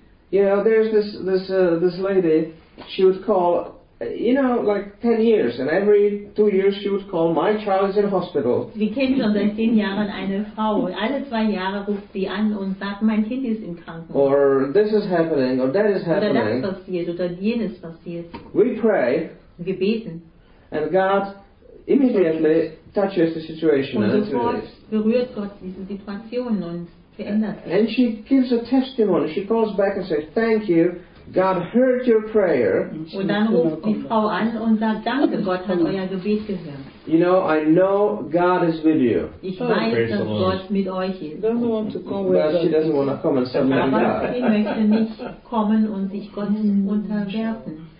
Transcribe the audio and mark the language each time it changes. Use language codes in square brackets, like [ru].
[en] Yeah, there's this lady, she would call, you know, like 10 years, and every 2 years she would call, my child is in hospital. [de] Wir kennen schon seit 10 Jahren eine Frau, und alle 2 Jahre ruft sie an und sagt, mein Kind ist im Krankenhaus. [en] Or this is happening, or that is happening. [de] Oder das passiert, oder jenes passiert. [en] We pray. [de] Wir beten. [en] And God immediately touches the situation. [de] Und sofort berührt Gott diese Situation und verändert sie. [en] And she gives a testimony, she calls back and says, thank you. God heard your prayer. [de] Und dann ruft die Frau an und sagt, danke, Gott hat euer Gebet gehört. [en] You know, I know God is with you. [de] Ich weiß, dass Gott mit euch ist. [en] But she doesn't want to come and submit to God. [de] Aber sie möchte nicht kommen und sich Gott unterwerfen.